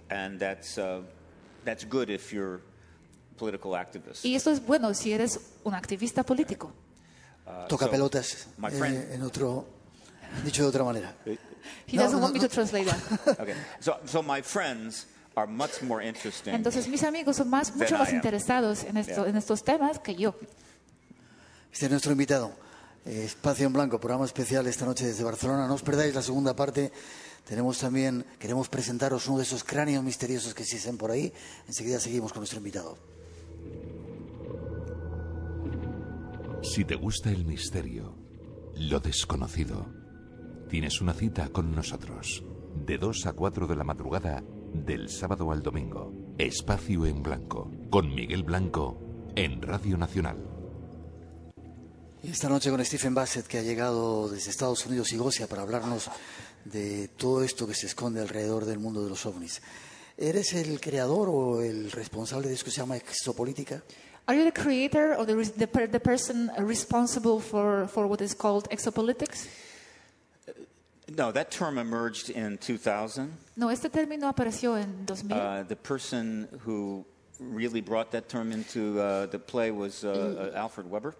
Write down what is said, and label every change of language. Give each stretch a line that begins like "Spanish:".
English: And that's good if you're a political activist.
Spanish: Y eso es bueno si eres un activista político. Toca pelotas.
English: My friend,
Spanish: en otro dicho de otra manera.
English: He doesn't want me to translate that. Okay. So my friends are much more interesting.
Spanish: Entonces mis amigos son más mucho más interesados en esto en estos temas que yo. Este es nuestro invitado. Espacio en Blanco, programa especial esta noche desde Barcelona. No os perdáis la segunda parte. Tenemos también, queremos presentaros uno de esos cráneos misteriosos que existen por ahí. Enseguida seguimos con nuestro invitado. Si te gusta el misterio, lo desconocido, tienes una cita con nosotros. De 2 a 4 de la madrugada, del sábado al domingo. Espacio en Blanco, con Miguel Blanco, en Radio Nacional. Esta noche con Stephen Bassett, que ha llegado desde Estados Unidos y Gosia para hablarnos de todo esto que se esconde alrededor del mundo de los ovnis. ¿Eres el creador o el responsable de eso que se llama exopolítica?
English: Are you the creator or the person responsible for what is called exopolitics? No, that term emerged in 2000.
Spanish: No, este término apareció en 2000.
English: The person who really brought that term into the play was Alfred Weber.